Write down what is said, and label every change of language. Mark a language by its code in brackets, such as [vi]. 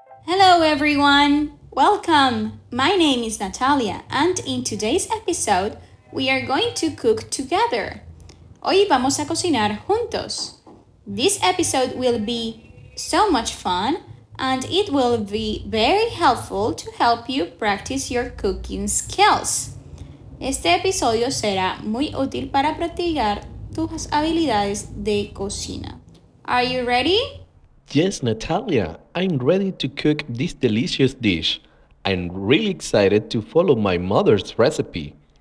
[en] Hello everyone! Welcome! My name is Natalia and in today's episode, we are going to cook together. [es] Hoy vamos a cocinar juntos. [en] This episode will be so much fun and it will be very helpful to help you practice your cooking skills. [es] Este episodio será muy útil para practicar tus habilidades de cocina. [en] Are you ready? Yes, Natalia, I'm ready to cook this delicious dish. I'm really excited to follow my mother's recipe.